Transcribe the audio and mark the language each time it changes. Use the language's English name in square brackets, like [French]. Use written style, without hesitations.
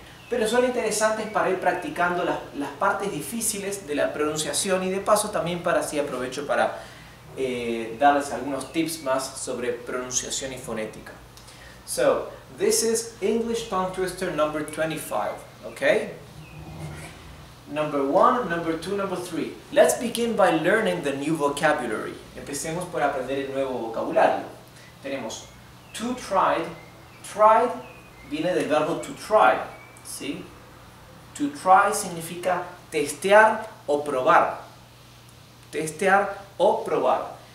[Spanish] Pero son interesantes para ir practicando las partes difíciles de la pronunciación y de paso también para así aprovecho para darles algunos tips más sobre pronunciación y fonética. [English] So, this is English tongue twister number 25, okay? Number one, number two, number three. Let's begin by learning the new vocabulary. [Spanish] Empecemos por aprender el nuevo vocabulario. Tenemos to tried. Tried viene del verbo to try, ¿sí? To try significa testear o probar. Testear o probar.